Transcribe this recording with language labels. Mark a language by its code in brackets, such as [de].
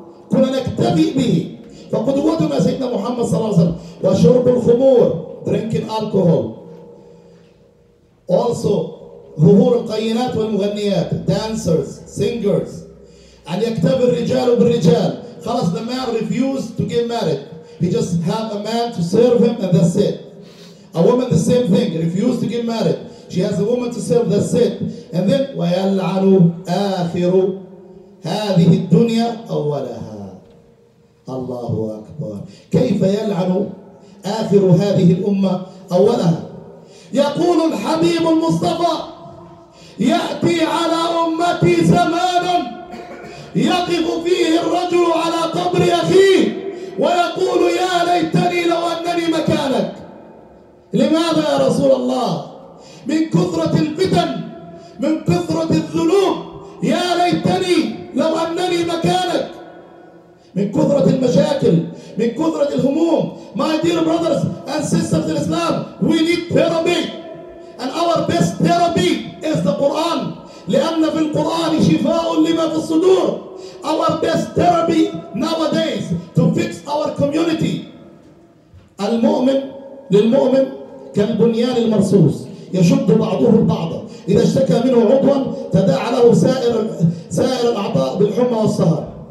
[ar] كنا نكتفئ به، فقدوتنا سيدنا محمد صلى الله عليه وسلم. وشرب الخمور [en] drinking alcohol also. [ar] ظهور القينات والمغنيات [en] dancers, singers. [ar] أن يكتفي الرجال بالرجال. خلاص [en] the man refused to get married. He just have a man to serve him and that's it. A woman the same thing, refused to get married. She has a woman to serve, that's it. And then [ar] ويلعن آخر هذه الدنيا أولها. الله أكبر. كيف يلعن آخر هذه الأمة أولها؟ يقول الحبيب المصطفى يأتي على أمتي زمانا يقف فيه الرجل على قبر أخيه ويقول يا ليتني لو أنني مكانك. لماذا يا رسول الله؟ من كثرة الفتن، من كثرة الذنوب. يا ليتني لو أنني مكانك. من كثرة المشاكل، من كثرة الهموم. [en] My dear brothers and sisters in Islam, we need therapy. And our best therapy is the Quran. [ar] لأن في القرآن شفاء لما في الصدور. [en] Our best therapy nowadays to fix our community. [ar] المؤمن للمؤمن كالبنيان المرصوص يشد بعضه البعض. إذا اشتكى منه عضوا تداعى له سائر الأعضاء بالحمى والسهر.